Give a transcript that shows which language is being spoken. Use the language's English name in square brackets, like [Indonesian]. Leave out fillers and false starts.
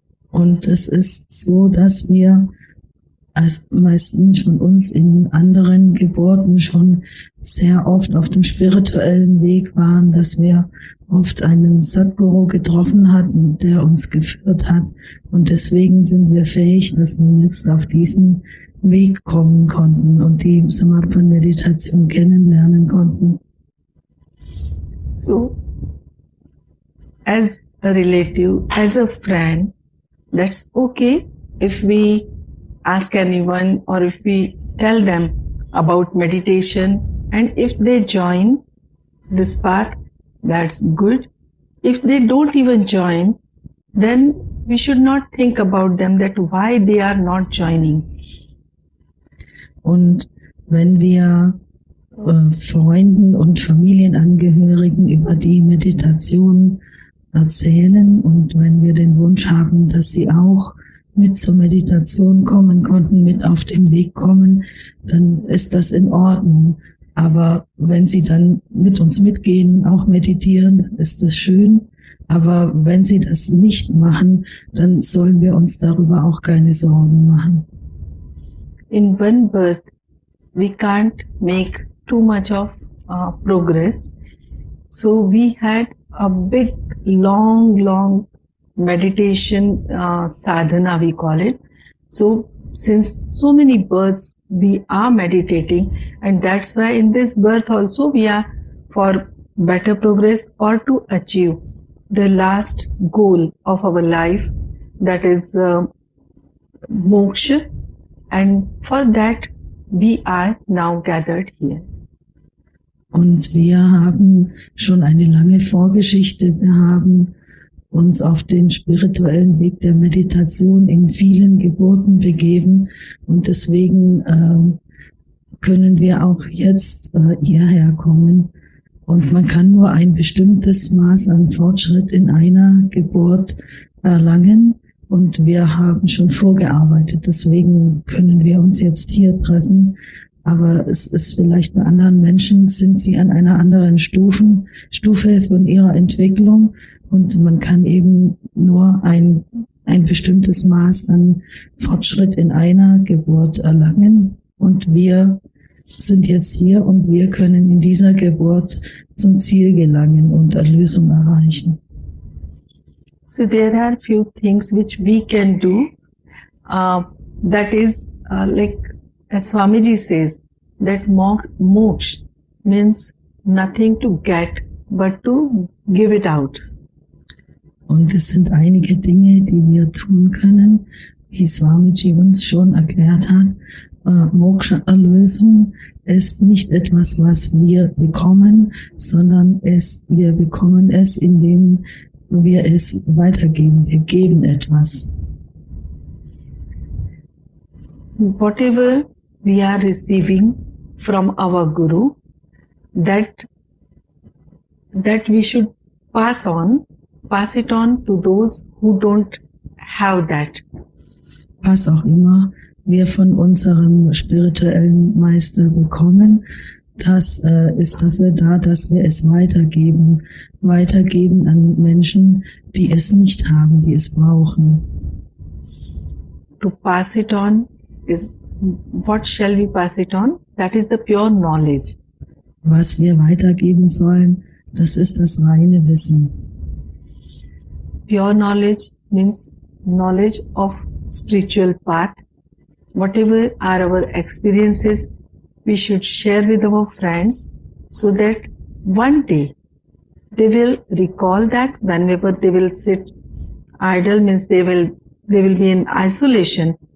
[German] Und es ist so, dass wir als meistens von uns in anderen Geburten schon sehr oft auf dem spirituellen Weg waren, dass wir oft einen Sadhguru getroffen hatten, der uns geführt hat. Und deswegen sind wir fähig, dass wir jetzt auf diesem Weg kommen konnten und die Samarpan-Meditation kennenlernen konnten. [English] So, as a relative, as a friend, that's okay if we ask anyone or if we tell them about meditation, and if they join this path, that's good. If they don't even join, then we should not think about them, that why they are not joining. [German] Und wenn wir Freunden und Familienangehörigen über die Meditation erzählen und wenn wir den Wunsch haben, dass sie auch mit zur Meditation kommen konnten, mit auf den Weg kommen, dann ist das in Ordnung. Aber wenn sie dann mit uns mitgehen und auch meditieren, dann ist das schön. Aber wenn sie das nicht machen, dann sollen wir uns darüber auch keine Sorgen machen. [English] In one birth, we can't make too much of progress. So we had a big, long, long meditation sadhana, we call it. So since so many births, we are meditating, and that's why in this birth also we are for better progress or to achieve the last goal of our life, that is moksha. And for that, we are now gathered here. [German] Und wir haben schon eine lange Vorgeschichte. Wir haben uns auf den spirituellen Weg der Meditation in vielen Geburten begeben. Und deswegen können wir auch jetzt hierher kommen. Und man kann nur ein bestimmtes Maß an Fortschritt in einer Geburt erlangen. Und wir haben schon vorgearbeitet, deswegen können wir uns jetzt hier treffen. Aber es ist vielleicht bei anderen Menschen, sind sie an einer anderen Stufe von ihrer Entwicklung. Und man kann eben nur ein bestimmtes Maß an Fortschritt in einer Geburt erlangen. Und wir sind jetzt hier und wir können in dieser Geburt zum Ziel gelangen und Erlösung erreichen. [English] So there are few things which we can do. That is like as Swamiji says, that moksha means nothing to get but to give it out. [German] Und es sind einige Dinge, die wir tun können, wie Swamiji uns schon erklärt hat. Moksha-Erlösung ist nicht etwas, was wir bekommen, sondern wir bekommen es, indem wir es weitergeben, wir geben etwas. [English] Whatever we are receiving from our Guru, that we should pass it on to those who don't have that. [German] Was auch immer wir von unserem spirituellen Meister bekommen, das ist dafür da, dass wir es weitergeben an Menschen, die es nicht haben, die es brauchen. [English] To pass it on is, what shall we pass it on? That is the pure knowledge. [German] Was wir weitergeben sollen, das ist das reine Wissen. [English] Pure knowledge means knowledge of spiritual path. Whatever are our experiences, we should share with our friends so that one day they will recall that whenever they will sit idle, means they will be in isolation.